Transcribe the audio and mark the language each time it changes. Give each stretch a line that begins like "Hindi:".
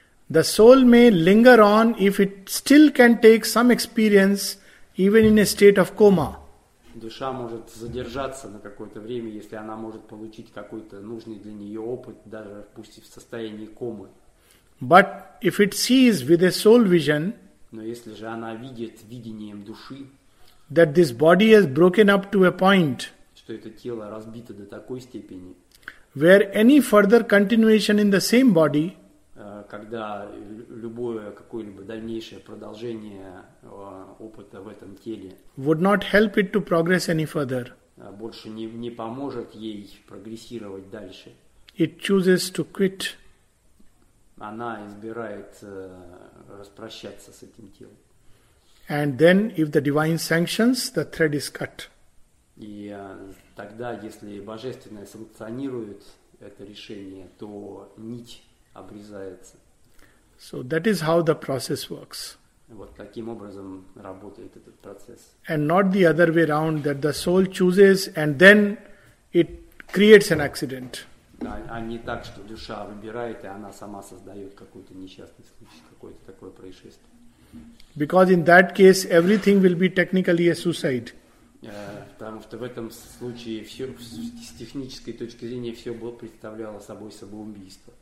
English: the soul may linger on if it still can take some experience even in a state of coma.
Russian: Душа может задержаться на какое-то время, если она может получить какой-то нужный для нее опыт, даже пусть и в состоянии комы.
English: But if it sees with a soul vision,
Russian: но если же она видит видением души,
English: that this body has broken up to a point,
Russian: что это тело разбито до такой степени,
English: where any further continuation in the same body,
Russian: когда любое какое-либо дальнейшее продолжение опыта в этом теле
English: would not help it to progress any further,
Russian: больше не поможет ей прогрессировать дальше,
English: it chooses to quit,
Russian: она избирает распрощаться с этим телом,
English: and then if the divine sanctions, the thread is cut.
Russian: И тогда, если божественное санкционирует это решение, то нить обрезается.
English: So that is how the process works.
Russian: Вот таким образом работает этот процесс.
English: And not the other way around, that the soul chooses and then it creates an accident.
Russian: А не так, что душа выбирает, и она сама создает какой-то несчастный случай, какое-то такое происшествие.
English: Because in that case everything will be technically a suicide.
Russian: Потому что в этом случае все, с технической точки зрения, все было, представляло собой самоубийство.